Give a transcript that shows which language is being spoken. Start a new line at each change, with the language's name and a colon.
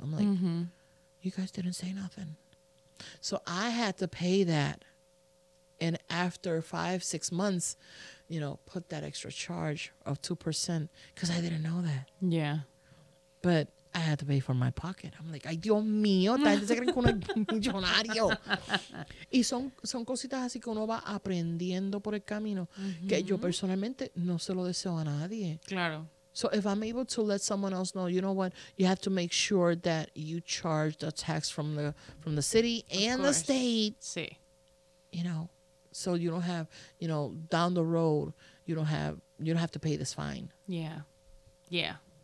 English: I'm like, you guys didn't say nothing. So I had to pay that. And after 5-6 months, you know, put that extra charge of 2% because I didn't know that. Yeah. But I had to pay for my pocket. I'm like,
Spanish: ay, Dios mío, ¿tú se creen que uno es millonario? Y son cositas así que uno va aprendiendo por el camino, que yo personalmente no se lo deseo a nadie. Claro.
English: So if I'm able to let someone else know, you know what, you have to make sure that you charge the tax from the city and the state.
Spanish: Sí.
English: You know, so you don't have, you know, down the road, you don't have to pay this fine. Yeah. Yeah.